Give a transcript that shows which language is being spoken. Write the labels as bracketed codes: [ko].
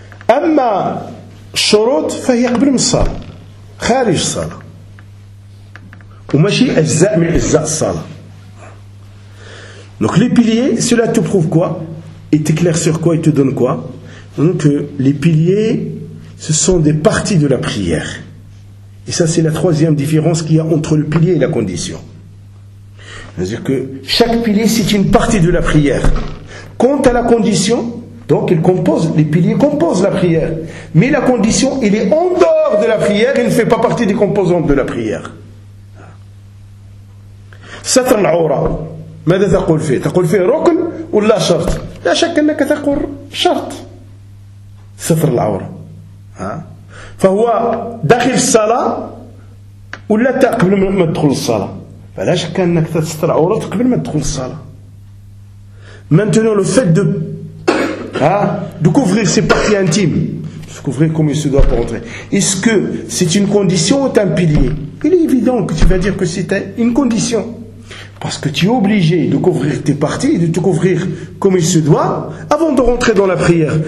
[ar] أما الشروط فهي قبل من الصلاة، خارج الصلاة، وماشي أجزاء من أجزاء الصلاة. [fr] Donc les piliers, cela te prouve quoi? Et t'éclaire sur quoi? Et te donne quoi? Donc les piliers, ce sont des parties de la prière. Et ça, c'est la troisième différence qu'il y a entre le pilier et la condition. C'est-à-dire que chaque pilier, c'est une partie de la prière. Quant à la condition, donc il compose, les piliers composent la prière. Mais la condition, il est en dehors de la prière, il ne fait pas partie des composantes de la prière. [ar] Satr al-Aura. ماذا تقول فيه؟ تقول فيه ركن ولا شرط؟ لا شك أنك تقول شرط ستر العورة. فهو داخل الصلاة ولا قبل ما تدخل الصلاة؟ فلا شك أنك تستر العورة قبل ما تدخل الصلاة. [fr] maintenant le fait de couvrir ses parties intimes, couvrir comme il se doit pour entrer. Est-ce que c'est une condition ou un pilier? Il est évident que tu vas dire que c'est une condition. Parce que tu es obligé de couvrir tes parties, de te couvrir comme il se doit, avant de rentrer dans la prière.